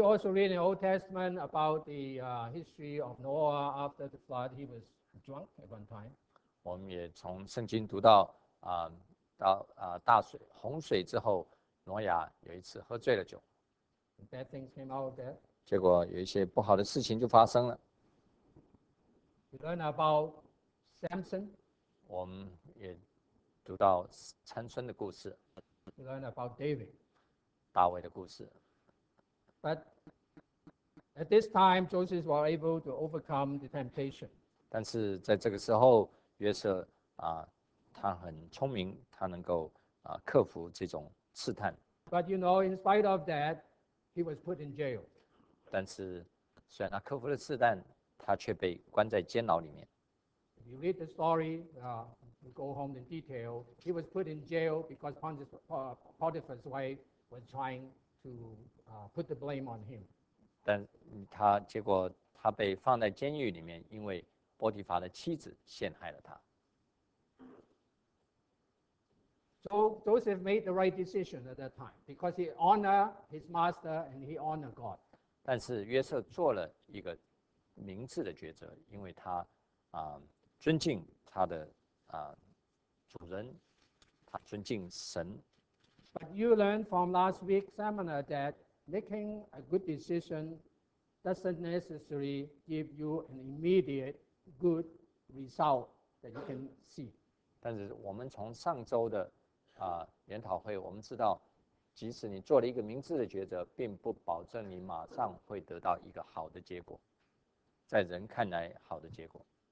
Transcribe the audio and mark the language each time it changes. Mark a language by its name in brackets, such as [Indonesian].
[English] also read in Old Testament about the history of Noah after the flood. He was drunk at one time. [Chinese] 我们也从圣经读到，到洪水之后，挪亚有一次喝醉了酒。 [English] Bad things came out of that. [Chinese] 结果有一些不好的事情就发生了。 [English] We learn about Samson. [Chinese] 我们也读到参孙的故事。 [English] We learn about David. [Chinese] 大卫的故事。 [English] But at this time, Joseph was able to overcome the temptation. [Chinese] 但是在这个时候，约瑟他很聪明，他能够克服这种试探。 [English] But you know, in spite of that, he was put in jail. [Chinese] 但是虽然他克服了试探，他却被关在监牢里面。 [English] If you read the story, go home in detail. He was put in jail because Potiphar's wife was trying to put the blame on him. [Chinese] 但他结果他被放在监狱里面，因为波提法的妻子陷害了他。 [English] So Joseph made the right decision at that time because he honored his master and he honored God. [Chinese] 但是约瑟做了一个明智的抉择，因为他尊敬他的主人，他尊敬神。 [English] But you learned from last week's seminar that making a good decision doesn't necessarily give you an immediate good result that you can see. [Chinese] 但是我们从上周的研讨会，我们知道，即使你做了一个明智的抉择，并不保证你马上会得到一个好的结果，在人看来好的结果。